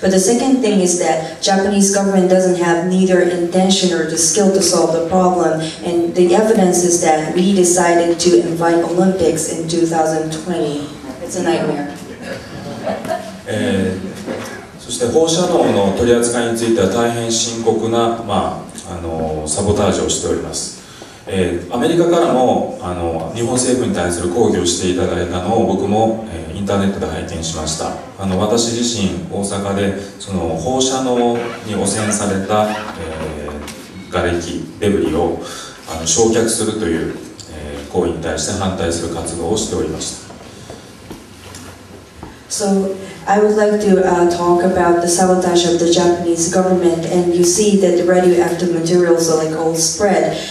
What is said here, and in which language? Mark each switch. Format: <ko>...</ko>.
<en>But the second thing is that Japanese government doesn't have neither intention or the skill to solve the problem. And the evidence is that we decided to invite Olympics in 2020. It's a nightmare.</en> <ja>そして放射能の取り扱いについては大変深刻な、サボタージュをしております。アメリカからも日本政府に対する抗議をしていただいたのを僕も、インターネットで拝見しました。私自身大阪でその放射能に汚染された、瓦礫デブリを焼却するという、行為に対して反対する活動をしておりました。</ja> <en>So I would like to talk about the sabotage of the Japanese government, and you see that the radioactive materials are like all spread.</en>